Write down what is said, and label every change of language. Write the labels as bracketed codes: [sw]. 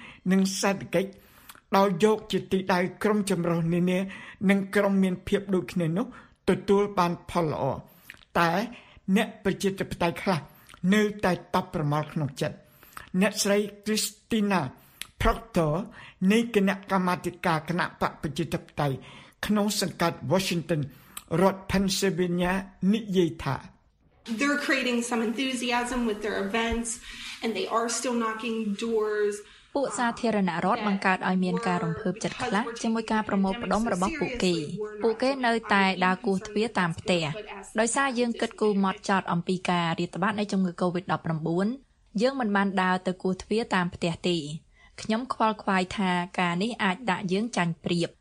[km] និងសេដ្ឋកិច្ចដោយយកជាទីដៅក្រុមចម្រុះនានានិងក្រុមមានភាពដូចគ្នានោះទទួលបានផលល្អតែអ្នកប្រជាធិបតេយ្យខ្លះនៅតែតបប្រមល់ក្នុងចិត្តអ្នកស្រី Christina Proctor នៃគណៈកម្មាធិការគណៈបកប្រជាធិបតេយ្យក្នុងសង្កាត់ Washington រដ្ឋ Pennsylvania និយាយថា [en] They're creating some enthusiasm with their events and they are still knocking doors. [km] ពួកសាធារណរដ្ឋបង្កើតឲ្យមានការរំភើបចិត្តខ្លះជាមួយការប្រមូលផ្ដុំរបស់ពួកគេ។ពួកគេនៅតែដើរគោះទ្វារតាមផ្ទះ។ដោយសារយើងគិតគូរមកចោតអំពីការរាតត្បាតនៃជំងឺ COVID-19 យើងមិនបានដើរទៅគោះទ្វារតាមផ្ទះទេ។ខ្ញុំខ្វល់ខ្វាយថាការនេះអាចដាក់យើងចាញ់ប្រៀប